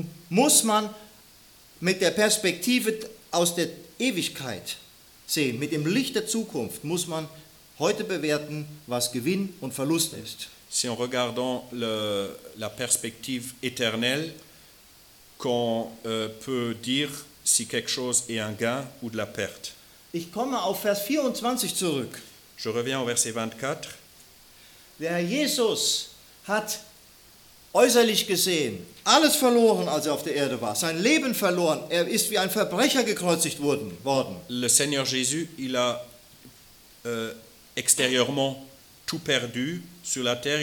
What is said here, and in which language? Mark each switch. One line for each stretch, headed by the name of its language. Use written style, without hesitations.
German: Muss man mit der Perspektive aus der Ewigkeit sehen, mit dem Licht der Zukunft, muss man heute bewerten, was Gewinn und Verlust ist.
French: Si en regardant la perspective éternelle, qu'on peut dire si quelque chose est un gain ou de la perte.
German: Ich komme auf Vers 24 zurück.
French: Je reviens au verset 24.
German: Der Herr Jesus hat äußerlich gesehen alles verloren, als er auf der Erde war. Sein Leben verloren. Er ist wie ein Verbrecher gekreuzigt worden.
French: Le Seigneur Jésus, il a extérieurement tout perdu sur la terre.